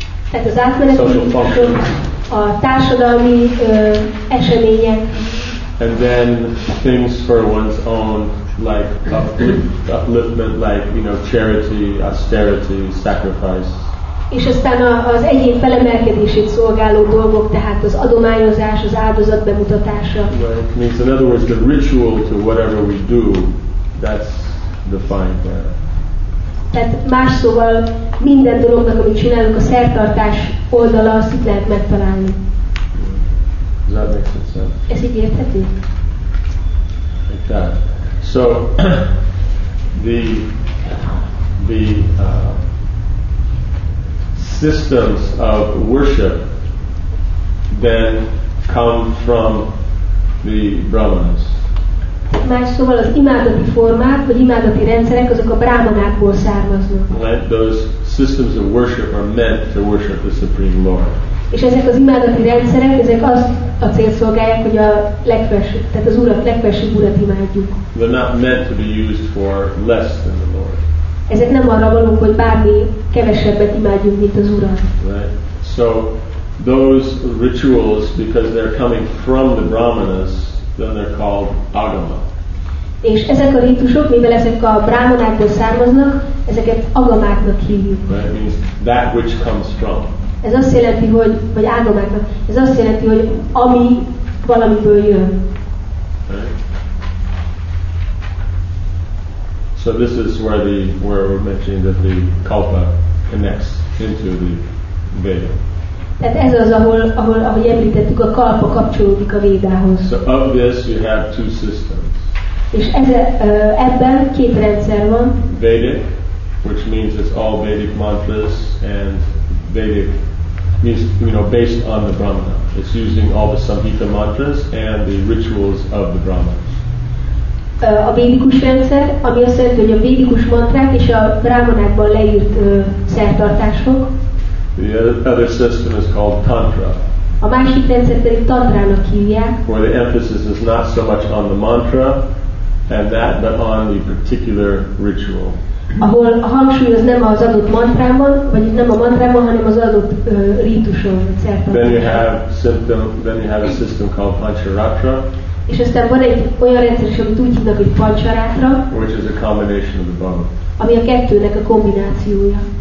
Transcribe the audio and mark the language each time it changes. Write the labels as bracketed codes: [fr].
[hu] Tehát az átmeneti, a társadalmi események. [en] And then things for one's own, like upliftment, like, you know, charity, austerity, sacrifice. [hu] És aztán az egyén felemelkedését szolgáló dolgok, tehát az adományozás, az áldozat bemutatása. [en] Right. Means, in other words, the ritual to whatever we do, that's defined there. [hu] Tehát más szóval minden dolognak, amit csinálunk, a szertartás oldala, azt itt lehet megtalálni. [en] That makes sense. [hu] Ez így érthető? [en] Like that. So, the systems of worship then come from the Brahmanas. [hu] Más szóval az imádati formák, vagy imádati rendszerek, azok a brahmanákból származnak. [en] Right, those systems of worship are meant to worship the Supreme Lord. [hu] És ezek az imádati rendszerek, ezek azt a cél szolgálják, hogy a legfelső, tehát az Urat, legfelsőbb Urat imádjuk. [en] They're not meant to be used for less than the Lord. [hu] Ezek nem arra valók, hogy bármi kevesebbet imádjunk, mint az Urat. [en] Right. So those rituals, because they're coming from the brahmanas, then they're called agama. [hu] És ezek a rítusok, mivel ezek a brahmanákból származnak, ezeket agamáknak hívjuk. [en] That means that which comes from. [hu] Ez azt jelenti, hogy vagy agamáknak. Ez azt jelenti, hogy ami valamiből jön. [en] Right. So this is where the where we're mentioning that the kalpa connects into the Veda. [hu] Tehát ez az, ahol ahogy említettük, a kalpa kapcsolódik a Védához. [en] So of this you have two systems. [hu] És ebben két rendszer van. [en] Vedic, which means it's all Vedic mantras, and Vedic means, you know, based on the Brahmana. It's using all the Samhita mantras and the rituals of the Brahmanas. [hu] A védikus rendszer, ami azt jelenti, hogy a védikus mantrák és a brahmanákban leírt szertartások. [en] The other system is called Tantra. [hu] A másik rendszer pedig Tantrának hívják. [en] Where the emphasis is not so much on the mantra and that, but on the particular ritual. [hu] Ahol a hangsúly az nem az adott mantrában, vagy nem a mantrában, hanem az adott rítuson, szertartásban. [en] Then you have a system called Pancharatra. [hu] És aztán van egy olyan rendszer, amit úgy hívnak, hogy Pancharatra. [en] Which is a combination of the Bhava. [hu] Ami a kettőnek a kombinációja.